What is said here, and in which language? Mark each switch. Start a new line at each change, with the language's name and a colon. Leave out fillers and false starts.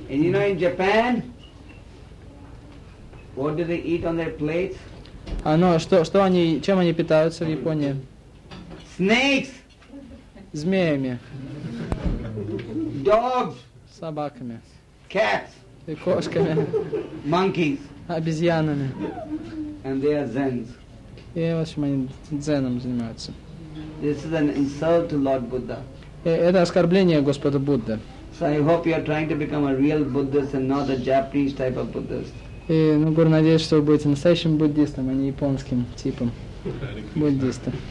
English: And you know in Japan, what do they eat on their plates?
Russian: Что они, чем они питаются в Японии?
English: Snakes.
Russian: Змеями.
English: Dogs.
Russian: Собаками.
English: Cats.
Russian: И кошками.
English: Monkeys.
Russian: Обезьянами.
English: And they are Zens.
Russian: И в общем они дзеном занимаются.
English: This is an insult to Lord Buddha.
Russian: Это оскорбление Господа Будды.
English: So I hope you are trying to become a real Buddhist and not a Japanese type of Buddhist.
Russian: И, Гуру, надеюсь, что вы будете настоящим буддистом, а не японским типом буддиста.